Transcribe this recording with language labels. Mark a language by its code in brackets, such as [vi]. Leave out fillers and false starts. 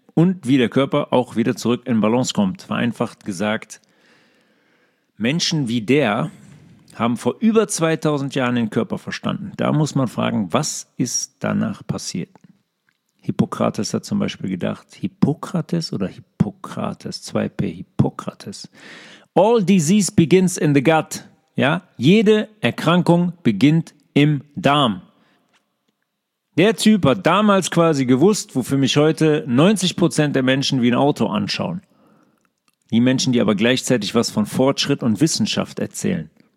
[de] und wie der Körper auch wieder zurück in Balance kommt. Vereinfacht gesagt, Menschen wie der haben vor über 2000 Jahren den Körper verstanden. Da muss man fragen, was ist danach passiert? Hippokrates hat zum Beispiel gedacht, Hippokrates oder Hippokrates, 2P, Hippokrates. [en] All disease begins in the gut. [de] Ja? Jede Erkrankung beginnt im Darm. Der Typ hat damals quasi gewusst, wofür mich heute 90% der Menschen wie ein Auto anschauen. Die Menschen, die aber gleichzeitig was von Fortschritt und Wissenschaft erzählen.